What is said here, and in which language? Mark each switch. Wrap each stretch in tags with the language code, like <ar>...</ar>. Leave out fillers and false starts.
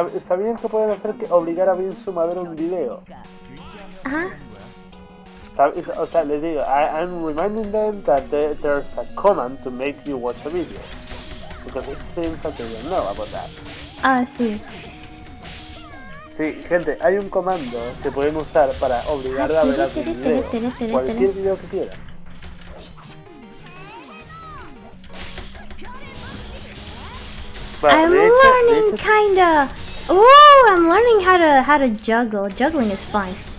<es>¿Sabían que pueden hacer que obligar a Vince a ver un video? ¿Ah? O sea, les digo,</es> <en>I'm reminding them that there's a command to make you watch a video. Because it seems that they don't know about that.</en> <es>Ah, sí. Sí, gente, hay un comando que pueden usar para obligar a ver a tu video. Cualquier video que quieras.</es> <en>I'm learning, kinda. Ooh, I'm learning how to juggle. Juggling is fun.</en>